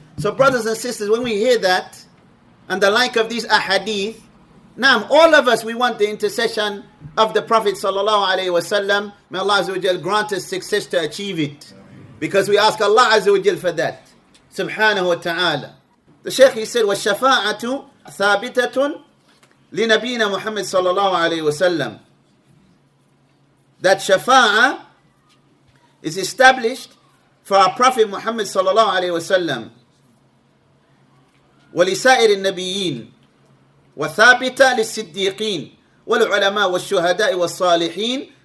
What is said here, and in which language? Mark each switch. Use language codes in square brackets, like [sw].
[en] So brothers and sisters, when we hear that, and the like of these ahadith, now all of us, we want the intercession of the Prophet sallallahu alayhi wa sallam. May Allah azza wa jal grant us success to achieve it. Because we ask Allah azza wa jal for that. Subhanahu wa ta'ala. The Shaykh, he said, [ar] وَالشَّفَاعَةُ ثَابِتَةٌ لِنَبِيِّنَا مُحَمَّدٍ صَلَّى اللَّهُ عَلَيْهِ وَسَلَّمَ. [en] That shafa'a is established for our Prophet Muhammad [ar] صلى الله عليه وسلم. وَلِسَائِرِ النَّبِيِّينَ وَثَابِتَةٌ لِلصِّدِّيقِينَ وَالْعُلَمَاءِ وَالشُّهَدَاءِ وَالصَّالِحِينَ